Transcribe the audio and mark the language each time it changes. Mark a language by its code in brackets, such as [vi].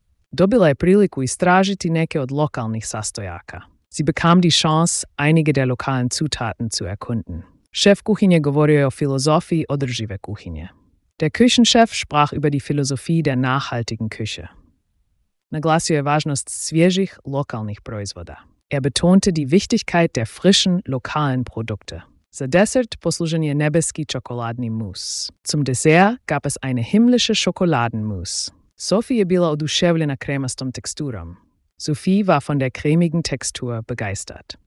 [hr] Dobila je priliku istražiti neke od lokalnih sastojaka. [de] Sie bekam die Chance, einige der lokalen Zutaten zu erkunden. [hr] Chef kuhinje govorio je o filozofiji održive kuhinje. [de] Der Küchenchef sprach über die Philosophie der nachhaltigen Küche. [hr] Naglasio je važnost svježih lokalnih proizvoda. [de] Er betonte die Wichtigkeit der frischen, lokalen Produkte. [hr] Za Dessert poslužen je nebeski čokoladni mus. [de] Zum Dessert gab es eine himmlische Schokoladenmus. [hr] Sophie je bila oduševljena kremastom teksturom. [de] Sophie war von der cremigen Textur begeistert.